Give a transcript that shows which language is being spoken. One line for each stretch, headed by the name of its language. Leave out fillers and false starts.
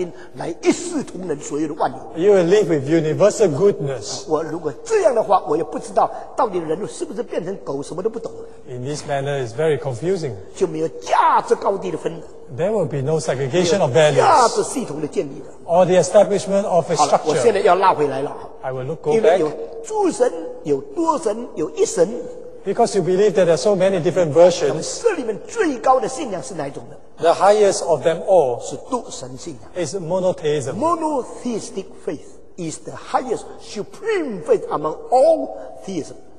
Chinese: 所以你会有普世最善良的良心来一视同仁所有的万有。
English: You will live with universal goodness.
Chinese: 我如果这样的话， 我也不知道 到底人是不是变成狗， 什么都不懂。
English: In this manner, it's very confusing.
Chinese: 就没有价值高低的分。
English: There will be no segregation of values. Or the establishment of a structure.
Chinese: 好了, 我现在要拉回来了。
English: I will look go back.
Chinese: 因为有诸神， 有多神， 有一神。
English: Because you believe that there are so many different versions.
Chinese: 这里面最高的信仰是哪一种呢？
English: The highest of them all
Chinese: 是独神信仰，
English: is monotheism. Monotheistic faith is the highest supreme faith among all theism.